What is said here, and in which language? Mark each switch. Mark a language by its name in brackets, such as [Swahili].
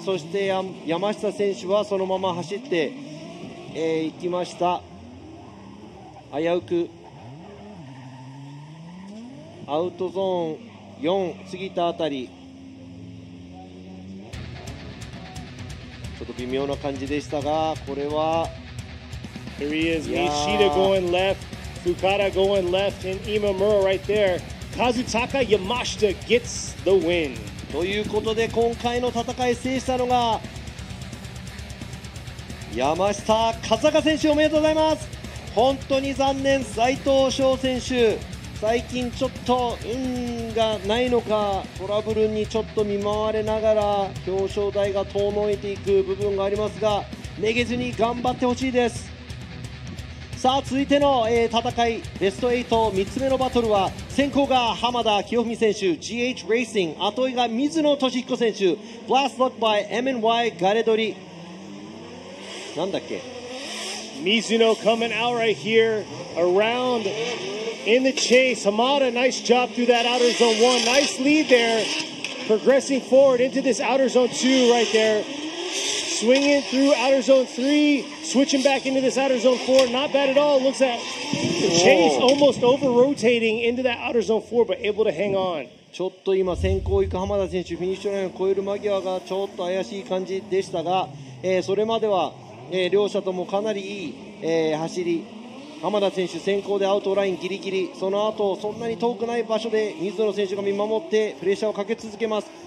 [Japanese] そして山下選手はそのまま走って、行きました。危うくアウトゾーン4過ぎたあたり、ちょっと微妙な感じでしたが、これは [English] Here he is, Nishida going left, Fukada going left, and Imamura right there. Kazutaka Yamashita gets the win. [Japanese] ということで今回の戦い制したのが山下和坂選手、おめでとうございます。本当に残念、斉藤翔選手最近ちょっと運がないのか、トラブルにちょっと見舞われながら表彰台が遠のいていく部分がありますが、めげずに頑張ってほしいです。さあ続いての、戦いベスト83つ目のバトルは先行が浜田清文選手 GH レーシング、後いが水野俊彦選手 Blast Luck by MNY ガレドリ。なんだっけ、 [English] Mizuno coming out right here around in the chase. Hamada, nice job through that outer zone one. Nice lead there. Progressing forward into this outer zone two right there. Swinging through outer zone three. Switching back into this outer zone four. Not bad at all. Looks at the chase almost over rotating into that outer zone four, but able to hang on. [Japanese] ちょっと今先行行く浜田選手フィニッシュラインを超える間際がちょっと怪しい感じでしたが、それまでは両者ともかなりいい、走り、浜田選手先行でアウトラインギリギリ、その後そんなに遠くない場所で水野選手が見守ってプレッシャーをかけ続けます。